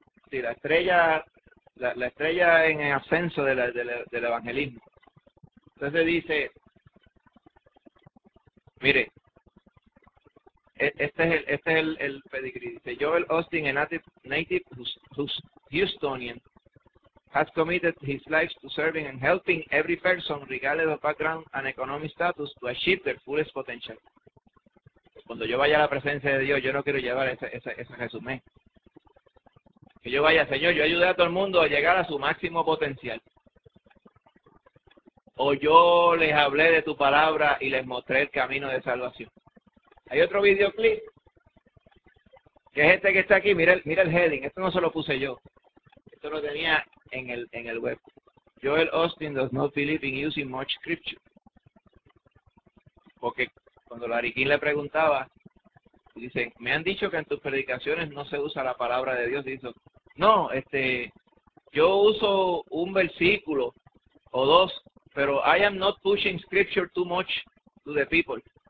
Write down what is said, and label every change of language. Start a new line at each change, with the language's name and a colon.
Spanish: Sí, la estrella en el ascenso del evangelismo. Entonces dice, mire, este es el pedigrí. Dice,
English: Joel Austin, a native Houstonian, has committed his life to serving and helping every person, regardless of background and economic status, to achieve their fullest potential.
Spanish: Cuando yo vaya a la presencia de Dios, yo no quiero llevar ese resumen. Que yo vaya, Señor, yo ayudé a todo el mundo a llegar a su máximo potencial. O yo les hablé de tu palabra y les mostré el camino de salvación. Hay otro videoclip, que es este que está aquí, mira el heading, esto no se lo puse yo. Esto lo tenía en el web.
English: Joel Austin does not believe in using much scripture.
Spanish: Porque cuando Larry King le preguntaba, dice, me han dicho que en tus predicaciones no se usa la palabra de Dios. Dice, no, yo uso un versículo o dos, pero
English: I am not pushing scripture too much to the people.